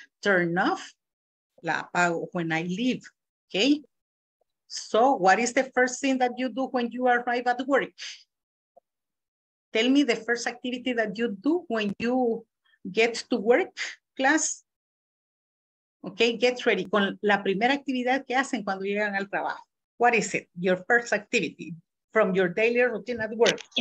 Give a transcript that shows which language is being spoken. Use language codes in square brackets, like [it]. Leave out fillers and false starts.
[en] Turn off, [es] la apago [en] when I leave. Okay. So what is the first thing that you do when you arrive at work? Tell me the first activity that you do when you get to work, class. Okay, get ready. [es] Con la primera actividad que hacen cuando llegan al trabajo. [en] What is it? Your first activity from your daily routine at work.